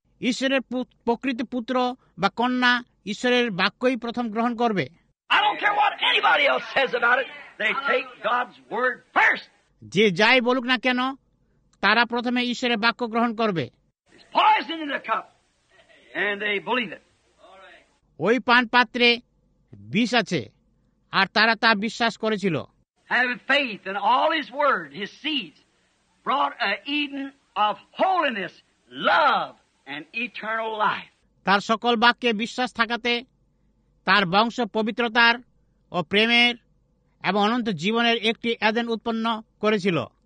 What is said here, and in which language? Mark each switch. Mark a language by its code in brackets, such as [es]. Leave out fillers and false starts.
[bn] ঈশ্বরের প্রকৃত পুত্র বা কন্যা ঈশ্বরের বাক্যই প্রথম গ্রহণ করবে। [en] I don't care what anybody else says about it. They take God's word first. [bn] যে যাই বলুক না কেন, তারা প্রথমে ঈশ্বরের বাক্য গ্রহণ করবে। [en] It's poison in the cup, and they believe it. [bn] ওই পান পাত্রে বিষ আছে, আর তারা তা বিশ্বাস করেছিল। [en] Having faith in all his word, his seeds, brought an Eden of holiness, love, and eternal life. [bn] তার সকল বাক্যে বিশ্বাস থাকাতে তার বংশ পবিত্রতার ও প্রেমের এবং অনন্ত জীবনের একটি এদেন উৎপন্ন করেছিল।